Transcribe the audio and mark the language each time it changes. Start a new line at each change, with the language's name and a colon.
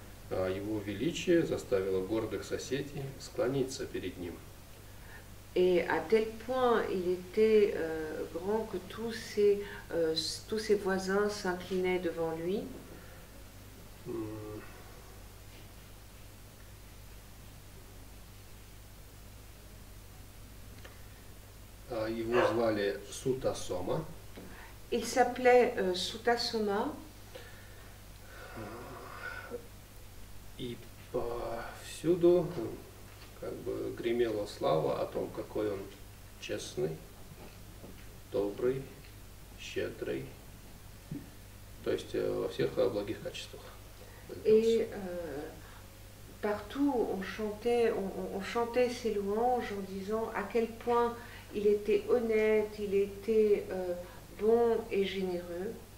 Russian: Его величие заставило гордых соседей склониться перед ним.
French: Et à tel point il était grand que tous ses voisins s'inclinaient devant lui. Mm.
Russian: Его звали Сутасома.
French: Il s'appelait Сутасома.
Russian: И повсюду как бы гремела слава о том, какой он честный, добрый, щедрый. То есть во всех благих качествах.
French: Et partout on chantait ses louanges en disant à quel point il était honnête, il était bon et généreux.